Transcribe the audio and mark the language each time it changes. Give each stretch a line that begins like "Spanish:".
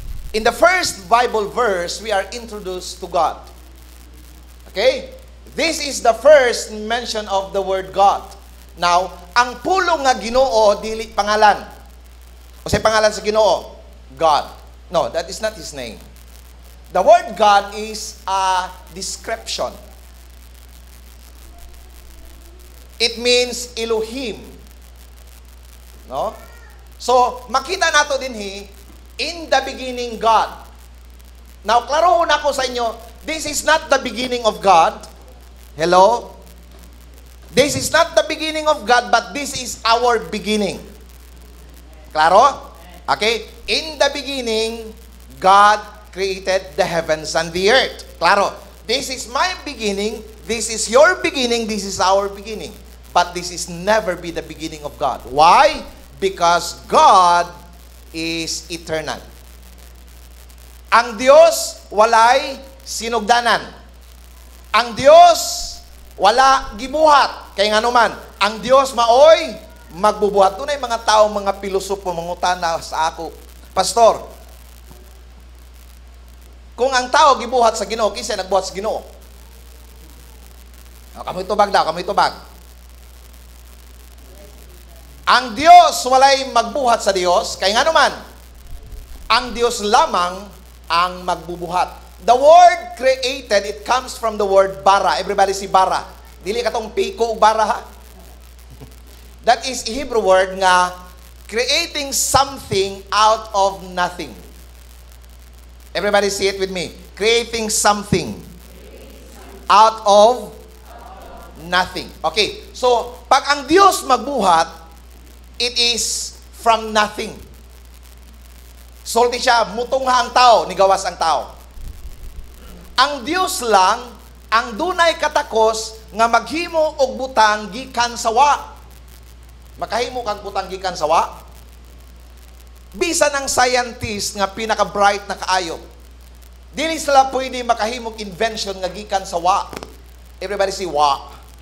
English: In the first Bible verse, we are introduced to God. Okay? This is the first mention of the word God.
Cebuano: Now, ang pulong nga Ginoo, dili pangalan. O say pangalan sa Ginoo?
English: God. No, that is not His name. The word God is a description. It means Elohim. No? So,
Cebuano: makita nato dinhi,
English: in the beginning, God. Now,
Cebuano: klarohon ako sa inyo,
English: this is not the beginning of God. Hello? This is not the beginning of God, but this is our beginning. Klaro? Okay? In the beginning, God created the heavens and the earth. Klaro? This is my beginning, this is your beginning, this is our beginning. But this is never be the beginning of God. Why? Because God is eternal.
Cebuano: Ang Dios walay sinugdanan. Ang Dios wala gibuhat. Kay nganuman, ang Dios maoy magbubuhat. Dunay mga tao, mga pilosopo mangutana sa ako, Pastor. Kung ang tao gibuhat sa Ginoo, kinsa nagbuhat sa Ginoo? Kamoy tubag daw, kamoy tubag. Ang Dios walay magbuhat sa Dios, kaya nga naman, ang Dios lamang ang magbubuhat.
English: The word created, it comes from the word bara. Everybody see bara.
Cebuano: Dili ka tong piko o bara ha?
English: That is a Hebrew word nga creating something out of nothing. Everybody see it with me. Creating something out of nothing. Okay. So,
Cebuano: pag ang Diyos magbuhat,
English: it is from nothing.
Cebuano: Sulti siya, mutungha ang tao, nigawas ang tao. Ang Diyos lang, ang dunay katakos nga maghimo og butang gikan sa wa. Makahimo kang butang gikan sa wa? Bisan ang scientist nga pinaka-bright na kaayo, dili sila pwede makahimog invention nga gikan sa wa.
English: Everybody see wa.